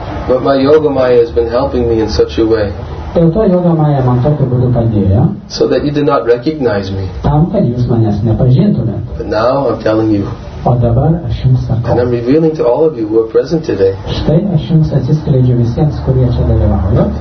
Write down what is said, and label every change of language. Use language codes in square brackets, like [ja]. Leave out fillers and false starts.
[en] But my yoga maya has been helping me in such a way. [lt] Dėl to yoga maya man tokiu būdu padėjo. [en] So that you do not recognize me. [lt] Tam, kad jūs manęs nepažintumėt. [en] But now I'm telling you. [lt] O dabar aš jums sakau. [en] And I'm revealing to all of you who are present today. [lt] Štai aš jums atsiskleidžiu visiems, kurie čia dalyvauja.